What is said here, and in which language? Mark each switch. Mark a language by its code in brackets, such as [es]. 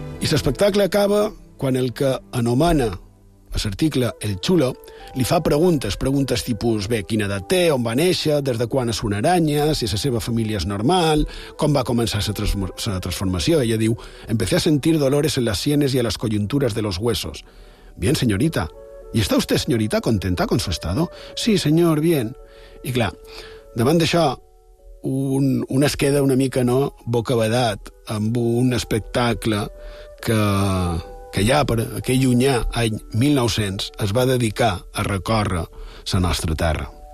[ca] L'espectacle acaba quan el que anomena a l'article El Chulo, li fa preguntes, preguntes tipus, bé, quina edat té, on va néixer, des de quan és una aranya, si la seva família és normal, com va començar la transformació. [es] Ella diu, empecé a sentir dolores en las sienes y a las coyunturas de los huesos. Bien, señorita. ¿Y está usted, señorita, contenta con su estado? Sí, señor, bien. [ca] I clar, davant d'això, un es queda una mica, no?, bocabadat amb un espectacle que ja per aquell llunyà any 1900 es va dedicar a recórrer la nostra terra.